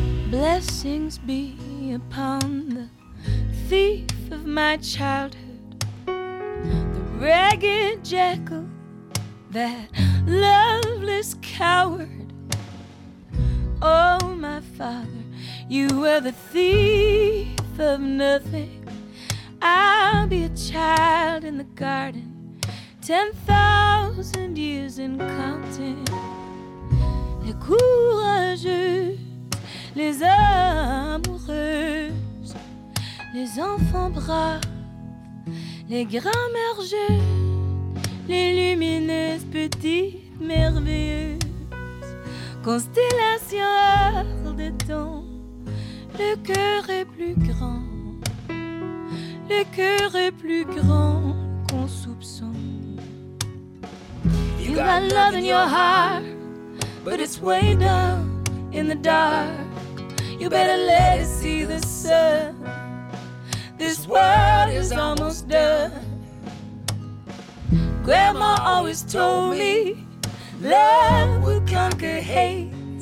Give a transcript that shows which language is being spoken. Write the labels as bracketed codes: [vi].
[en] Blessings be upon the thief of my childhood, the ragged jackal, that loveless coward. Oh, my father, you were the thief of nothing. I'll be a child in the garden, 10,000 years and counting. [fr] Le courageux, les amoureuses, les enfants braves, les grands-mères jeunes, les lumineuses petites merveilleuses, constellations hors des temps. Le cœur est plus grand, le cœur est plus grand qu'on soupçonne. [en] You got love in your heart, but it's way down in the dark. You better let it see the sun. This world is almost done. Grandma always told me love will conquer hate.